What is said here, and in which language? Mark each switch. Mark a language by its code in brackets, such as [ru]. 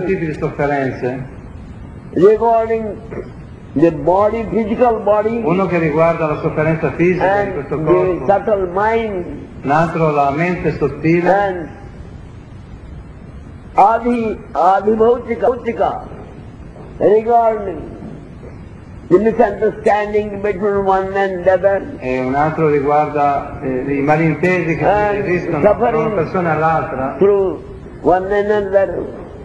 [it] tutti i tipi di sofferenze. [en] Regarding the body, physical body. [it] Uno che riguarda la sofferenza fisica [en] and [it] di questo corpo. [en] The subtle mind. [it] Un altro la mente sottile. [en] And Adi Bhautika, regarding the misunderstanding between one and the other. [it] E un altro riguarda i malintesi che esistono tra una persona e l'altra. [en] Through one and another.